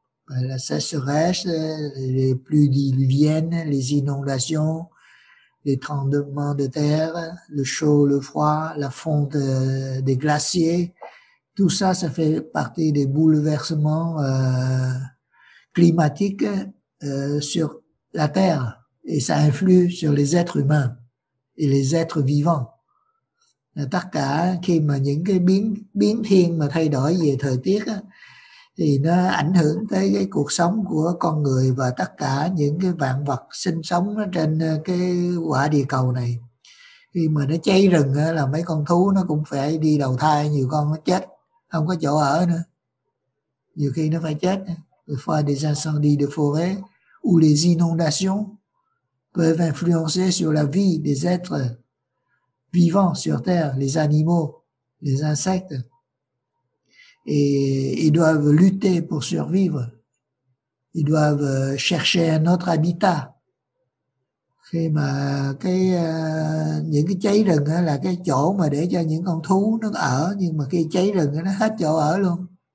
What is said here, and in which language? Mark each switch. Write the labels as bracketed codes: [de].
[fr] La sécheresse, les pluies diluviennes, les inondations, les tremblements de terre, le chaud, le froid, la fonte des glaciers, tout ça, ça fait partie des bouleversements climatiques. Sur la Terre, et ça influe sur les êtres humains et les êtres vivants. [vi] Là, tất cả khi mà những cái biến thiên mà thay đổi về thời tiết á, thì nó ảnh hưởng tới cái cuộc sống của con người và tất cả những cái vạn vật sinh sống trên cái quả địa cầu này. Khi mà nó cháy rừng á, là mấy con thú nó cũng phải đi đầu thai, nhiều con nó chết, không có chỗ ở nữa. Nhiều khi nó phải chết. [fr] Des fois, des incendies de forêt ou les inondations peuvent influencer sur la vie des êtres vivants sur Terre, les animaux, les insectes, et ils doivent lutter pour survivre. Ils doivent chercher un autre habitat. [vi] Khi mà cái những cái cháy rừng á, là cái chỗ mà để cho những con thú nó ở, nhưng mà khi cháy rừng nó hết chỗ ở luôn.